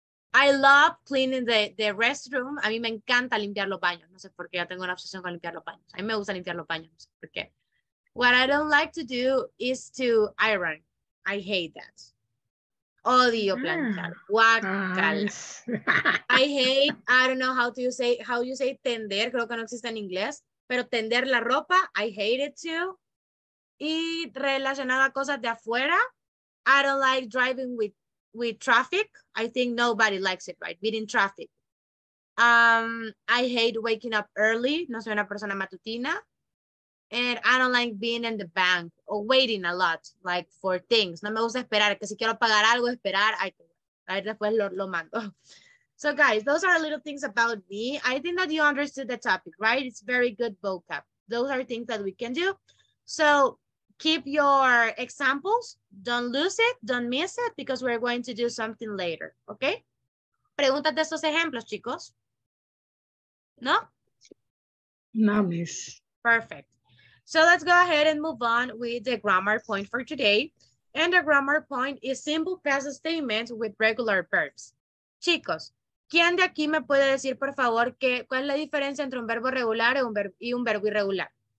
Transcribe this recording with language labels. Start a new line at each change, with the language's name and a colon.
English: I love cleaning the restroom.
Spanish: A mí me encanta limpiar los baños. No sé por qué. Yo tengo una obsesión con limpiar los baños. A mí me gusta limpiar los baños. No sé por qué.
English: What I don't like to do is to iron. I hate that.
Spanish: Odio planchar. Guacala.
English: I hate, I don't know how to say, how you say tender,
Spanish: creo que no existe en inglés, pero tender la ropa,
English: I hate it too.
Spanish: Y relacionado a cosas de afuera,
English: I don't like driving with traffic. I think nobody likes it, right? Being in traffic. I hate waking up early.
Spanish: No soy una persona matutina.
English: And I don't like being in the bank or waiting a lot, like for things.
Spanish: No me gusta esperar, que si quiero pagar algo, esperar, ahí después lo mando.
English: So guys, those are little things about me. I think that you understood the topic, right? It's very good vocab. Those are things that we can do. So keep your examples. Don't lose it, don't miss it, because we're going to do something later, okay?
Spanish: Preguntas de esos ejemplos, chicos. No? No, miss.
English: Perfect. So let's go ahead and move on with the grammar point for today. And the grammar point is simple past statements with regular verbs.
Spanish: Chicos, ¿quién de aquí me puede decir, por favor, que, cuál es la diferencia entre un verbo regular y un verbo irregular?